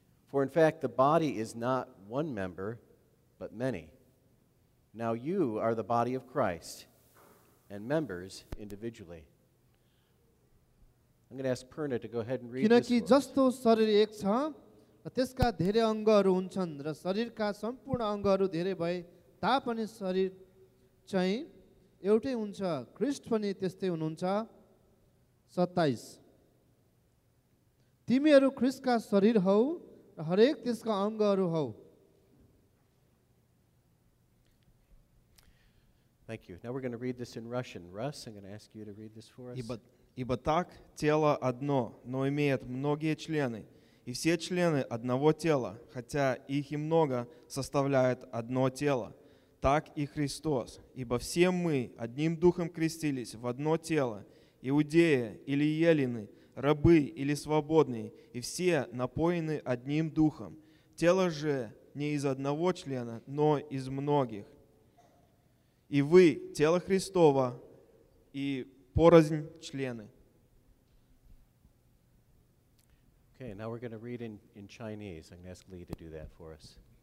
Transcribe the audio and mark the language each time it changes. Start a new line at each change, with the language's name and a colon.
English: For in fact the body is not one member, but many. Now you are the body of Christ, and members individually. I'm going to ask Perna to go ahead and read this book.
Nepali: त्यसका धेरै अंगहरू हुन्छन् र शरीरका सम्पूर्ण अंगहरू धेरै भए तापनि शरीर चाहिँ एउटै हुन्छ क्रिस्ट पनि त्यस्तै हुनुहुन्छ 27 तिमीहरू क्रिस्टका शरीर हौ र हरेक त्यसका अंगहरू हौ
English: Thank you. Now we're going to read this in Russian. Russ, I'm going to ask you to read this for us.
Russian: Ибо так тело одно, но имеет многие члены. И все члены одного тела, хотя их и много, составляют одно тело. Так и Христос. Ибо все мы одним духом крестились в одно тело. Иудеи или еллины, рабы или свободные, и все напоены одним духом. Тело же не из одного члена, но из многих. И вы тело Христово и порознь члены.
English: Okay, now we're going to read in Chinese. I'm going to ask Lee to do that for us.